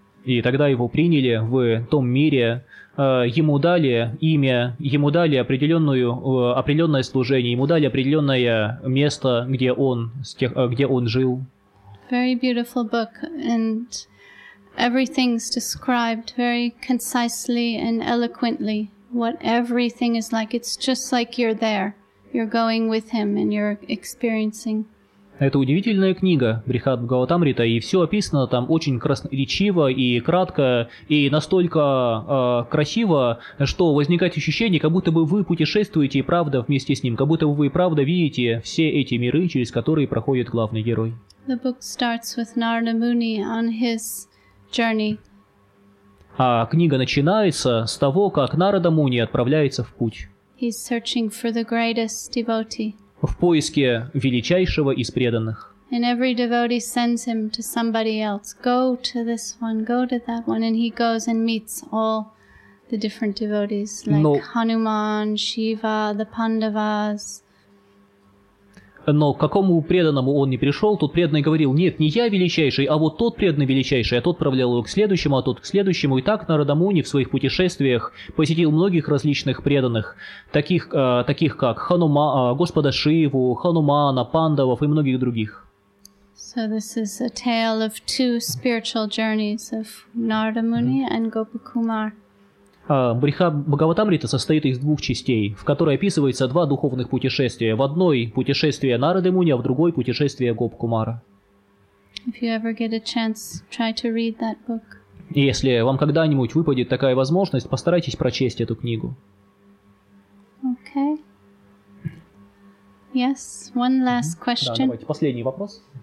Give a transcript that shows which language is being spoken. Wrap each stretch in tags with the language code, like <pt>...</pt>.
<ru>И тогда его приняли в том мире, ему дали имя, ему дали определенное служение, ему дали определенное место, где он жил.</ru> <en>very beautiful book, and everything's described very concisely and eloquently, what everything is like. It's just like you're there. You're going with him and you're experiencing.</en> <ru>Это удивительная книга Брихат Бхагаватамрита, и все описано там очень красноречиво и кратко, и настолько красиво, что возникает ощущение, как будто бы вы путешествуете и правда вместе с ним, как будто бы вы и правда видите все эти миры, через которые проходит главный герой.</ru> <en>The book starts with Narada Muni on his journey.</en> <ru>А книга начинается с того, как Нарада Муни отправляется в путь.</ru> <en>He's searching for the greatest devotee.</en> <ru>В поиске величайшего из преданных.</ru> <en>And every devotee sends him to somebody else. Go to this one, go to that one. And he goes and meets all the different devotees, like Hanuman, Shiva, the Pandavas.</en> <ru>Но к какому преданному он не пришел, тот преданный говорил, нет, не я величайший, а вот тот преданный величайший, а тот отправлял его к следующему, а тот к следующему. И так Нарада Муни в своих путешествиях посетил многих различных преданных, таких как Господа Шиву, Ханумана, Пандавов и многих других.</ru> <en>So this is a tale of two spiritual journeys of Narada Muni and Gopakumar.</en> <ru>Брихат Бхагаватамрита состоит из двух частей, в которой описывается два духовных путешествия. В одной – путешествие Нарады Муни, а в другой – путешествие Гопакумара.</ru> <en>If you ever get a chance, try to read that book.</en> <ru>Если вам когда-нибудь выпадет такая возможность, постарайтесь прочесть эту книгу.</ru> <en>Okay. Yes, one last question.</en> <ru>Да, давайте, последний вопрос.</ru>